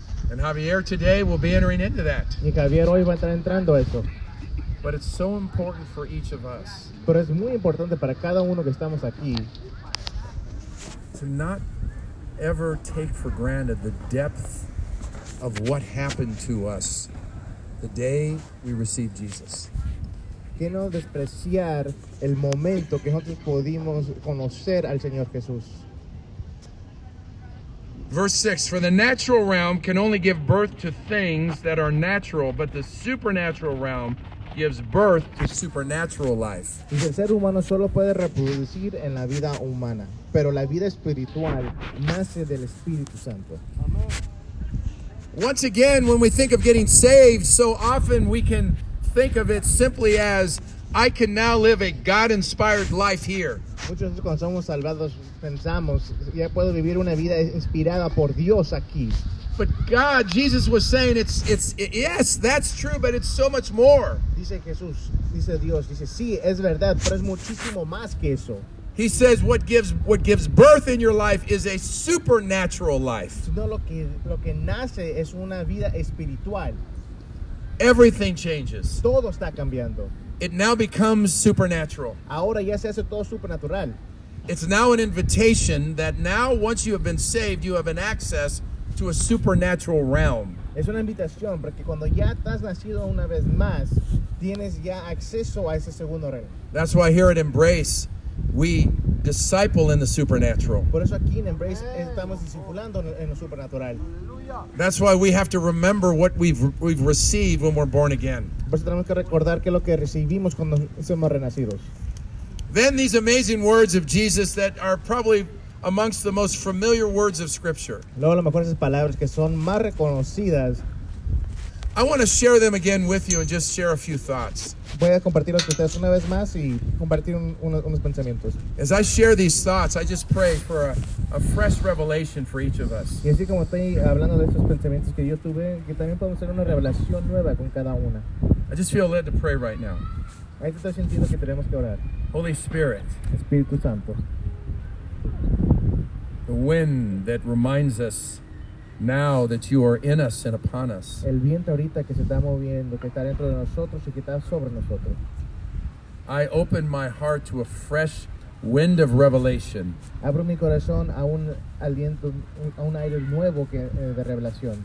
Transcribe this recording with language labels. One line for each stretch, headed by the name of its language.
English: And Javier today will be entering into that.
Spanish: Y Javier hoy va a estar entrando a eso.
English: But it's so important for each of us.
Spanish: Pero es muy importante para cada uno que estamos aquí.
English: To not ever take for granted the depth of what happened to us. The day we received Jesus.
Spanish: Que no despreciar el momento que nosotros pudimos conocer al Señor Jesús.
English: Verse 6, "For the natural realm can only give birth to things that are natural, but the supernatural realm gives birth to supernatural life."
Spanish: Y el ser humano solo puede reproducir en la vida humana, pero la vida espiritual nace del Espíritu Santo. Amén.
English: Once again, when we think of getting saved, so often we can think of it simply as, "I can now live a God-inspired life here."
Spanish: Muchos de nosotros somos salvados, pensamos, ya puedo vivir una vida inspirada por Dios aquí.
English: But God, Jesus was saying, yes, that's true, but it's so much more.
Spanish: Dice Jesús, dice Dios, dice, sí, es verdad, pero es muchísimo más que eso.
English: He says what gives birth in your life is a supernatural life.
Spanish: No, lo que nace es una vida espiritual.
English: Everything changes.
Spanish: Todo está cambiando.
English: It now becomes supernatural.
Spanish: Ahora ya se hace todo supernatural.
English: It's now an invitation that now once you have been saved, you have an access to a supernatural realm.
Spanish: Es una invitación porque cuando ya estás nacido una vez más, tienes ya acceso a ese segundo reino.
English: That's why here at Embrace, we disciple in the supernatural.
Spanish: Por eso aquí en Embrace estamos discipulando en lo supernatural.
English: That's why we have to remember what we've received when we're born again.
Spanish: Por eso tenemos que recordar qué es lo que recibimos cuando somos renacidos.
English: Then these amazing words of Jesus that are probably amongst the most familiar words of Scripture.
Spanish: Luego, las mejores palabras que son más reconocidas.
English: I want to share them again with you and just share a few thoughts.
Spanish: Voy a compartirlos con ustedes una vez más y compartir unos pensamientos.
English: As I share these thoughts, I just pray for a fresh revelation for each of us.
Spanish: Y así como estoy hablando de estos pensamientos que yo tuve, que también podemos tener una revelación nueva con cada una.
English: I just feel led to pray right now.
Spanish: Ahí estoy sintiendo que tenemos que orar.
English: Holy Spirit.
Spanish: Espíritu Santo.
English: The wind that reminds us now that you are in us and upon us.
Spanish: El viento ahorita que se está moviendo, que está dentro de nosotros y que está sobre nosotros.
English: I open my heart to a fresh wind of revelation.
Spanish: Abro mi corazón a un aliento, a un aire nuevo que de revelación.